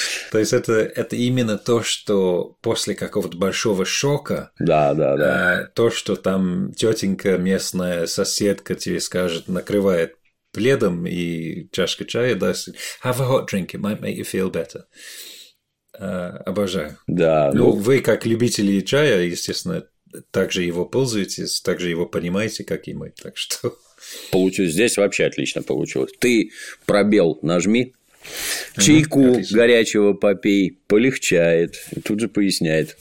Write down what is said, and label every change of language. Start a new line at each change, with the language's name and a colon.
Russian: То есть это именно то, что после какого-то большого шока, да, да, да. То, что там тетенька местная, соседка тебе скажет, накрывает пледом и чашка чая даст.
English: Have a hot drink. It might make you feel better.
Russian: Обожаю. Да. Ну, вы как любители чая, естественно. Также его пользуетесь, также его понимаете, как и мы. Так что... Получилось. Здесь вообще отлично получилось. Ты пробел нажми, чайку отлично. Горячего попей, полегчает. И тут же поясняет.